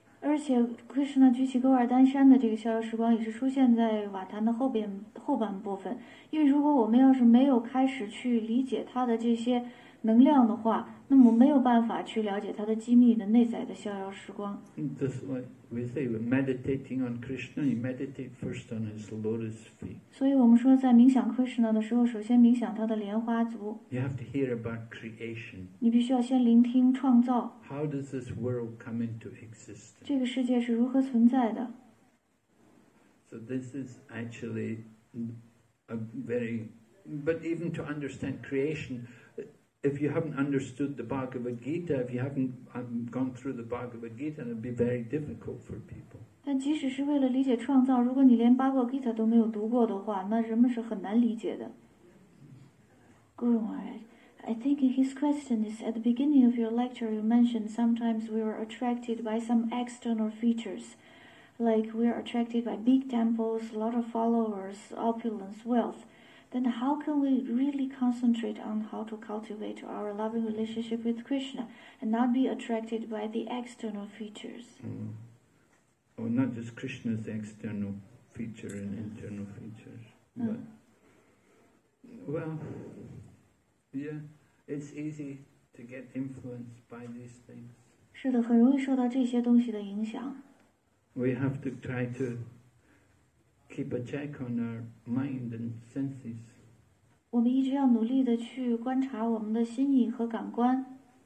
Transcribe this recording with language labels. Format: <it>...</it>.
<zh>而且 Krishna 举起勾尔丹山的这个逍遥时光也是出现在瓦坛的后半部分，因为如果我们要是没有开始去理解它的这些能量的话，那么没有办法去了解它的机密的内在的逍遥时光。</zh> <en>That's why we say meditating on Krishna, you meditate first on his lotus feet.</en> <zh>所以我们说在冥想 Krishna 的时候，首先冥想他的莲花足。</zh> <en>You have to hear about creation.</en> <zh>你必须要先聆听创造。</zh> <en>How does this world come into existence?</en> <zh>这个世界是如何存在的。</zh> <en>So this is actually a very... But even to understand creation,If you haven't understood the Bhagavad Gita, if you haven't gone through the Bhagavad Gita, it would be very difficult for people.</en> <zh>但即使是为了理解创造，如果你连巴格吉塔都没有读过的话，那人们是很难理解的。</zh> <en>Guru Maharaj, I think his question is, at the beginning of your lecture, you mentioned sometimes we were attracted by some external features, like we are attracted by big temples, a lot of followers, opulence, wealth. Then how can we really concentrate on how to cultivate our loving relationship with Krishna and not be attracted by the external features? Oh, well, not just Krishna's external feature and internal features. But, well, yeah, it's easy to get influenced by these things.</en> <zh>是的，很容易受到这些东西的影响。</zh> <en>We have to try to... keep a check on our mind and senses.</en> <zh>我们一直要努力地去观察我们的心意和感官。</zh>